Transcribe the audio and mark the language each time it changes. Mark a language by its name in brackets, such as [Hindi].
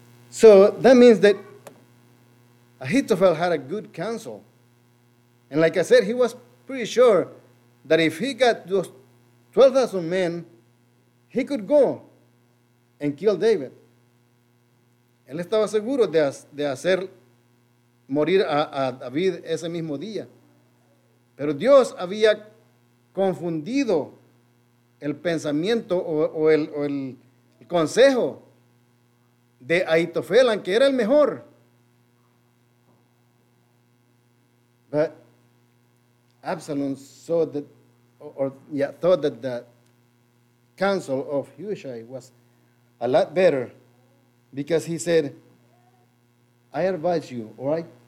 [English] So that means that Ahithophel had a good counsel. And like I said, he was pretty sure that if he got those 12,000 men, he could go and kill David. [Spanish] Él estaba seguro de hacer morir a David ese mismo día. Pero Dios había confundido el pensamiento o el consejo de Ahitofel, que era el mejor. [English] But Absalom thought that the counsel of Hushai was a lot better, because he said, I advise you, all right?